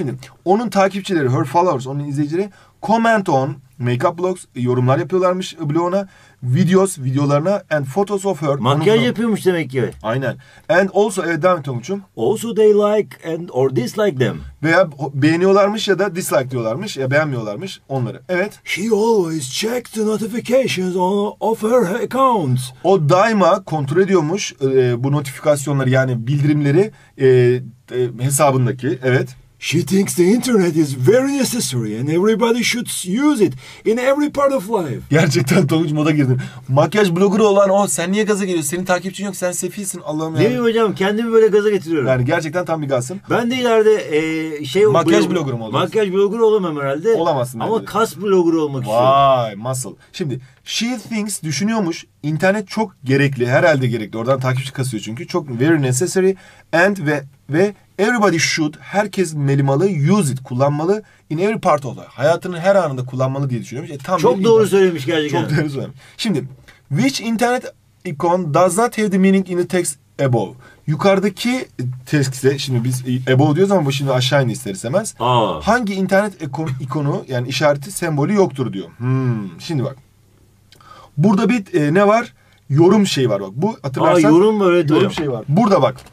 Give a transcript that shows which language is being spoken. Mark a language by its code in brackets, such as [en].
[tr] Şimdi onun takipçileri, [en] her followers, [tr] onun izleyicileri [en] comment on makeup blogs. [tr] Yorumlar yapıyorlarmış bloguna. Videos, videolarına [en] and photos of her. [tr] Makyaj yapıyormuş demek ki. Aynen. [en] And also, [tr] evet devam et Tomuç'um. [en] Also they like and or dislike them. [tr] Veya beğeniyorlarmış ya da dislike diyorlarmış ya beğenmiyorlarmış onları. Evet. [en] She always checks the notifications of her accounts. [tr] O daima kontrol ediyormuş bu notifikasyonları yani bildirimleri hesabındaki. Evet. [en] She thinks the internet is very necessary and everybody should use it in every part of life. [tr] Gerçekten Tonguç moda girdin. Makyaj blogger olan o sen niye gaza geliyorsun? Senin takipçin yok sen sefilsin Allah'ım ya. Ne diyeyim hocam kendimi böyle gaza getiriyorum. Yani gerçekten tam bir gazsın. Ben de ileride makyaj blogger mı olacağım? Makyaj blogger olamam herhalde. Olamazsın. Ama kas blogger olmak istiyorum. Vay muscle. Şimdi [en] she thinks [tr] düşünüyormuş internet çok gerekli herhalde gerekli. Oradan takipçi kasıyor çünkü. [en] Çok very necessary and ve everybody should, [tr] herkes melimalı, [en] use it, kullanmalı in every part of life. [tr] Hayatının her anında kullanmalı diye düşünüyormuş. Tam çok doğru internet. Söylemiş gerçekten. Çok doğru söylemiş. [en] Şimdi, which internet icon does not have the meaning in the text above? [tr] Yukarıdaki tekste, şimdi biz above diyoruz ama bu şimdi aşağı in ister istemez. Aa. Hangi internet ikonu, yani işareti, sembolü yoktur diyor. Şimdi bak, burada bir ne var? Yorum şey var bak. Bu hatırlarsan. Aa yorum mu? Evet yorum şey var. Burada bak.